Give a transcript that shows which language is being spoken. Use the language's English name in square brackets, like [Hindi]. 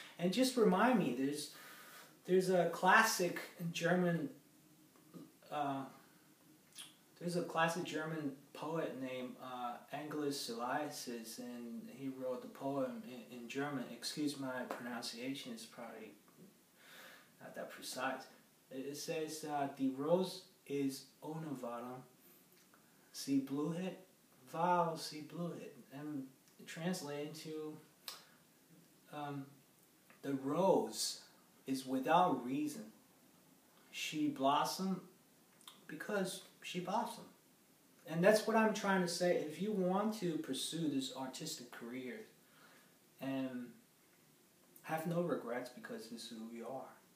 [English] And just remind me, there's a classic German poet named Angelus Silesius, and he wrote the poem in German. Excuse my pronunciation, it's probably not that precise. It says, [German] die Rose ist ohne Wadum, sie blühet, weil sie blühet. [English] And translated to, the rose is without reason. She blossoms because she blossoms. And that's what I'm trying to say. If you want to pursue this artistic career and have no regrets, because this is who you are.